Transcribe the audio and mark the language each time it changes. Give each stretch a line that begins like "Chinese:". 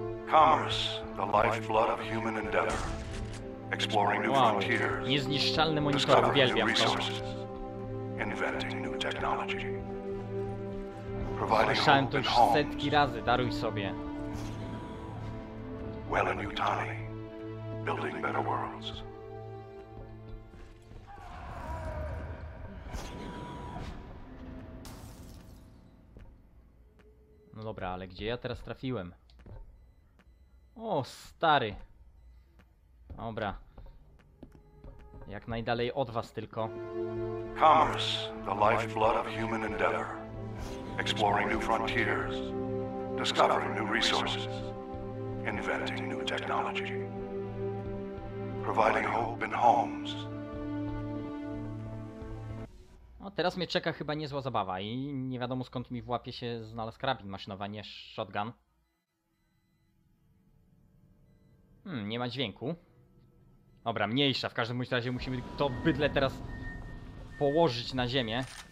English: Commerce, the lifeblood of human endeavor. exploring new frontiers,
Polish: niezniszczalny monitor, uwielbiam to.
English: Inventing new technology.
Polish: Słyszałem to już setki razy, daruj sobie.
English: Well in Utani, building better worlds.
Polish: No dobra, ale gdzie ja teraz trafiłem? O, stary. Dobra. Jak najdalej od was tylko.
English: Commerce, the lifeblood of human endeavor. Exploring new frontiers. Discovering new resources. Inventing new technology. Providing hope in homes.
Polish: No, teraz mnie czeka chyba niezła zabawa i nie wiadomo skąd mi w łapie się znalazł karabin maszynowy, nie shotgun. Nie ma dźwięku. Dobra, mniejsza. W każdym razie musimy to bydle teraz położyć na ziemię.